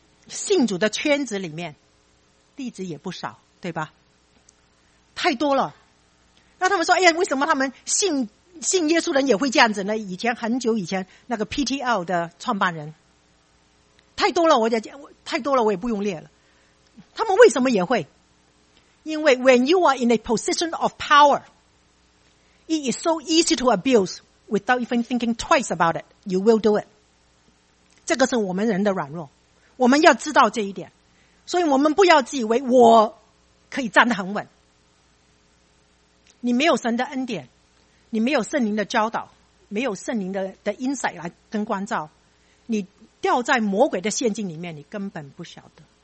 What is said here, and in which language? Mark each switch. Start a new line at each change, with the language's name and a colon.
Chinese: 信主的圈子里面弟子也不少，对吧？太多了。那他们说，哎呀，为什么他们信耶稣人也会这样子呢？以前很久以前那个 PTL 的创办人太多了，我也不用列了。他们为什么也会？因为
English: when you are in a position of power, it is so easy to abuse without even thinking twice about it, you will do it.
Chinese: 这个是我们人的软弱，我们要知道这一点。所以我们不要自以为我可以站得很稳。你没有神的恩典，你没有圣灵的教导，没有圣灵的 insight 来跟关照，你掉在魔鬼的陷阱里面，你根本不晓得。